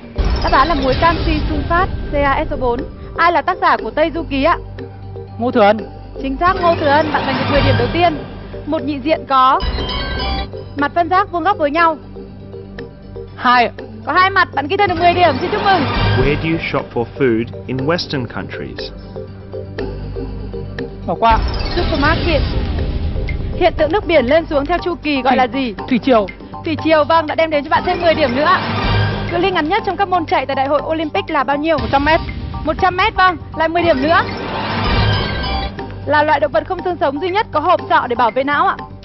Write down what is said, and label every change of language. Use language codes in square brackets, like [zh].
[vi] Đáp án là muối canxi sunfat CaSO4. Ai là tác giả của Tây Du Ký ạ? Ngô Thừa Ân. Chính xác, Ngô Thừa Ân, bạn giành được 10 điểm đầu tiên. Một nhị diện có mặt phân giác vuông góc với nhau. Hai. Có hai mặt, bạn ghi thêm được 10 điểm, xin chúc mừng. [en] Where do you shop for food in Western countries? [vi] Bỏ qua. [en] Supermarket. [vi] Hiện tượng nước biển lên xuống theo chu kỳ gọi là gì? Thủy triều. Thủy triều, vâng, đã đem đến cho bạn thêm 10 điểm nữa. Cự ly ngắn nhất trong các môn chạy tại Đại hội Olympic là bao nhiêu? 100m. 100m, vâng, lại 10 điểm nữa. Là loại động vật không xương sống duy nhất có hộp sọ để bảo vệ não ạ?